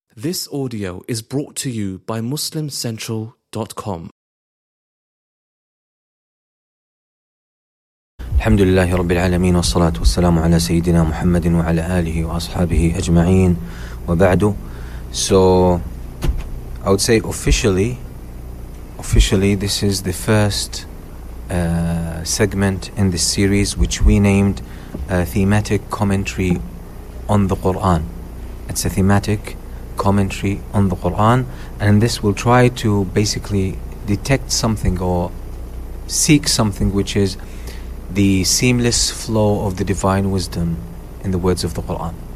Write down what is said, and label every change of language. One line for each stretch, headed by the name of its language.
English: This audio is brought to you by MuslimCentral.com.
Arabic: الحمد لله رب العالمين والصلاة والسلام على سيدنا محمد وعلى آله وأصحابه أجمعين وبعد.
English: So, I would say officially, this is the first segment in the series which we named a thematic commentary on the Quran. It's a thematic commentary on the Quran, and this will try to basically detect something or seek something which is the seamless flow of the divine wisdom in the words of the Quran.